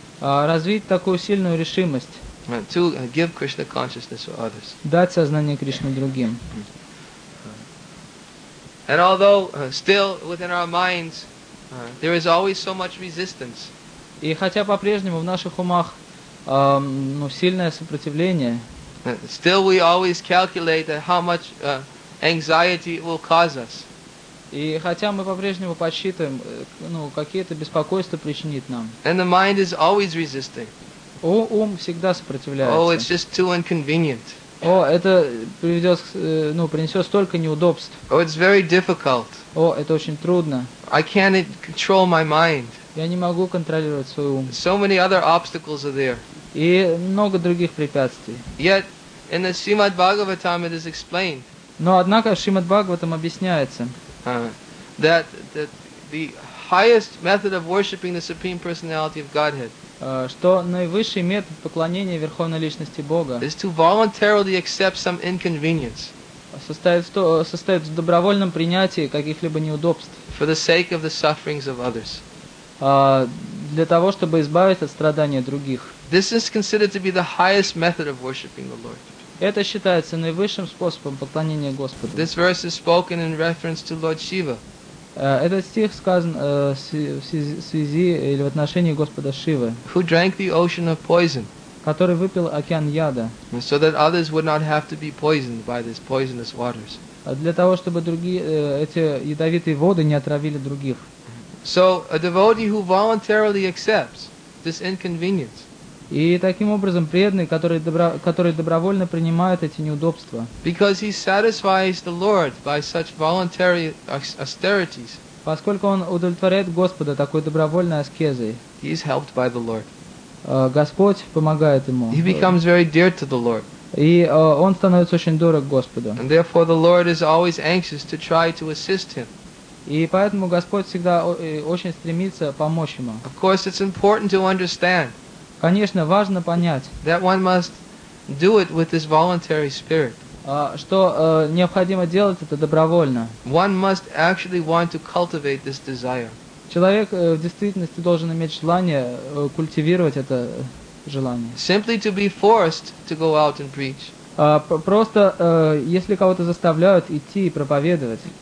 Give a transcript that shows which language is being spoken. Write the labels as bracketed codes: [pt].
[ru] Развить такую сильную решимость. [en] To give Krishna consciousness to others. [ru] Дать сознание Кришны другим. [en] And although still within our minds there is always so much resistance. [ru] И хотя по-прежнему в наших умах ну, сильное сопротивление. [en] Still we always calculate how much anxiety it will cause us. [ru] И хотя мы по-прежнему подсчитываем, ну, какие-то беспокойства причинит нам. [en] And the mind is always resisting. [ru] Ум всегда сопротивляется. [en] Oh, it's just too inconvenient. [ru] О, это приведет, ну, принесет столько неудобств. [en] Oh, it's very difficult. [ru] О, это очень трудно. [en] I can't control my mind. [ru] Я не могу контролировать свой ум. [en] So many other obstacles are there. [ru] И много других препятствий. [en] Yet, in the Srimad Bhagavatam it is explained. [ru] Но однако в Шримад Бхагаватам объясняется, [en] that the highest method of worshiping the Supreme Personality of Godhead. [ru] Что наивысший метод поклонения Верховной Личности Бога [en] is to voluntarily accept some inconvenience. [ru] состоит в добровольном принятии каких-либо неудобств. [en] For the sake of the sufferings of others. [ru] Для того, чтобы избавиться от страдания других. [en] This is considered to be the highest method of worshiping the Lord. [ru] Это считается наивысшим способом поклонения Господу. [en] This verse is spoken in reference to Lord Shiva. [ru] Этот стих сказан в связи или в отношении Господа Шивы. [en] Who drank the ocean of poison? [ru] Который выпил океан яда. [en] So that others would not have to be poisoned by these poisonous waters. [ru] Для того, чтобы другие эти ядовитые воды не отравили других. [en] So a devotee who voluntarily accepts this inconvenience. [ru] И таким образом преданный, который добровольно принимает эти неудобства. [en] Because he satisfies the Lord by such voluntary austerities. [ru] Поскольку он удовлетворяет Господа такой добровольной аскезой. [en] He is helped by the Lord. [ru] Господь помогает ему. [en] He becomes very dear to the Lord. [ru] И он становится очень дорог Господу. [en] And therefore the Lord is always anxious to try to assist him. [ru] И поэтому Господь всегда очень стремится помочь ему. [en] Of course, it's important to understand. [ru] Конечно, важно понять. [en] That one must do it with this voluntary spirit. [ru] Что необходимо делать это добровольно. [en] One must actually want to cultivate this desire. [ru] Человек в действительности должен иметь желание культивировать это желание. [en] Simply to be forced to go out and preach. [ru] Просто если кого-то заставляют идти и проповедовать.